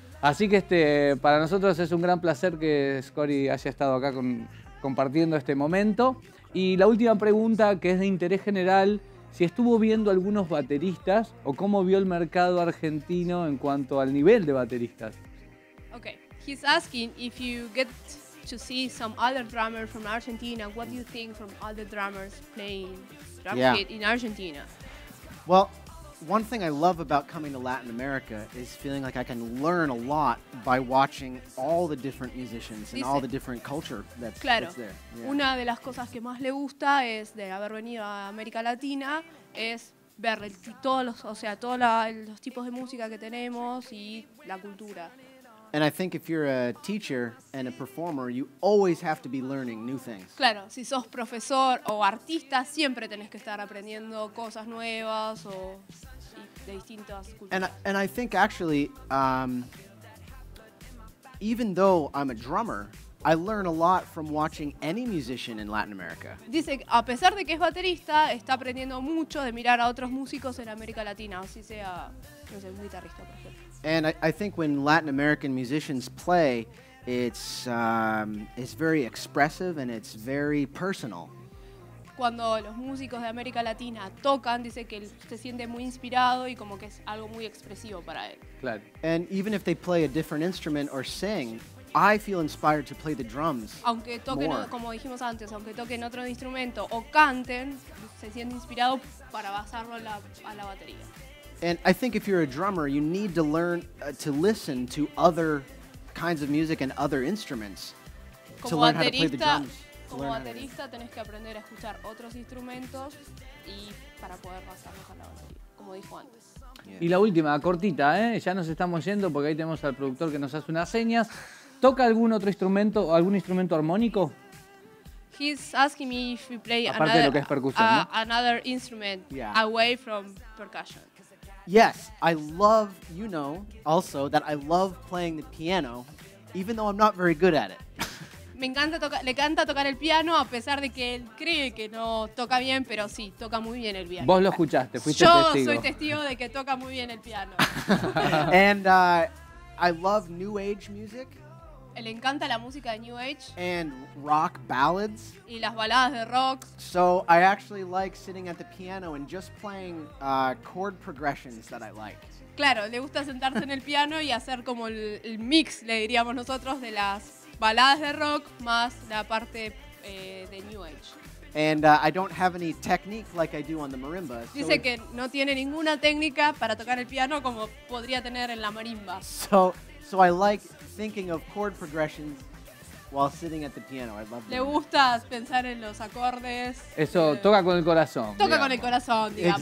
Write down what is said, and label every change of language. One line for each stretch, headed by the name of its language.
Spanish: Así que para nosotros es un gran placer que Scotty haya estado acá compartiendo este momento. Y la última pregunta, que es de interés general, si estuvo viendo algunos bateristas o cómo vio el mercado argentino en cuanto al nivel de bateristas.
English: Okay, he's asking if you get to see some other drummers from Argentina, what do you think from other drummers playing drum kit in Argentina? Well, one thing I love about coming to Latin America is feeling like I can learn a lot by watching all the different musicians and all the different culture that's there.
Spanish: Claro, una de las cosas que más le gusta es de haber venido a América Latina es ver todos los tipos de música que tenemos y la cultura.
English: And I think if you're a teacher and a performer, you always have to be learning new things.
Spanish: Claro, si sos profesor o artista, siempre tenés que estar aprendiendo cosas nuevas o de distintas culturas.
English: And I think actually, even though I'm a drummer, I learn a lot from watching any musician in Latin America.
Spanish: Dice, a pesar de que es baterista, está aprendiendo mucho de mirar a otros músicos en América Latina, así sea, no sé, un guitarrista, por ejemplo.
English: And I think when Latin American musicians play, it's very expressive and it's very personal.
Spanish: Cuando los músicos de América Latina tocan, dice que se siente muy inspirado y como que es algo muy expresivo para él. Claro.
English: And even if they play a different instrument or sing, I feel inspired to play the drums.
Spanish: Aunque toquen, como dijimos antes, aunque toquen otro instrumento o canten, se siente inspirado para basarlo a la batería.
English: And I think if you're a drummer, you need to learn to listen to other kinds of music and other instruments to learn how to play the drums.
Spanish: Como baterista, tenés que aprender a escuchar otros instrumentos y para poder pasarlos a la batería, como dijo antes. Yeah. Y la última, cortita, ya nos estamos yendo porque ahí tenemos al productor que nos hace unas señas. ¿Toca algún otro instrumento, algún instrumento armónico?
English: He's asking me if we play another instrument away from percussion. Yes, I love, you know, also that I love playing the piano, even though I'm not very good at it.
Spanish: Me encanta tocar, le encanta tocar el piano a pesar de que él cree que no toca bien, pero sí, toca muy bien el piano. Vos lo escuchaste, fuiste Yo testigo. Yo soy testigo de que toca muy bien el piano.
English: And I love New Age music.
Spanish: Le encanta la música de New Age.
English: And rock ballads.
Spanish: Y las baladas de rock.
English: So I actually like sitting at the piano and just playing chord progressions that I like.
Spanish: Claro, le gusta sentarse en el piano y hacer como el mix, le diríamos nosotros, de las baladas de rock más la parte de New Age.
English: And I don't have any technique like I do on the marimba.
Spanish: Dice que no tiene ninguna técnica para tocar el piano como podría tener en la marimba.
English: So I like thinking of chord progressions while sitting at the piano. I love that.
Spanish: Le gusta pensar en los acordes. Eso, toca con el corazón. Toca con el corazón, digamos.